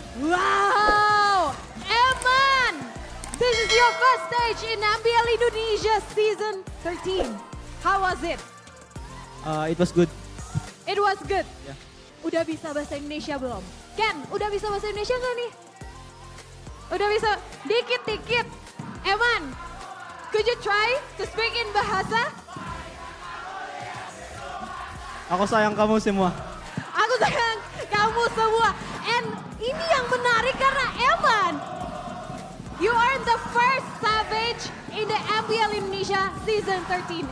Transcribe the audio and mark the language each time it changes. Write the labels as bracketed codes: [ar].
[en] Wow, Eman, this is your first stage in NBL Indonesia season 13. How was it? It was good. It was good. Yeah. [id] Udah bisa bahasa Indonesia belum? Ken, udah bisa bahasa Indonesia nggak nih? Udah bisa, dikit-dikit. [en] Eman, could you try to speak in bahasa? [id] Aku sayang kamu semua. Aku sayang kamu semua. [en] And [id] ini yang menarik karena [en] Eman, you are the first Savage in the NBL Indonesia season 13.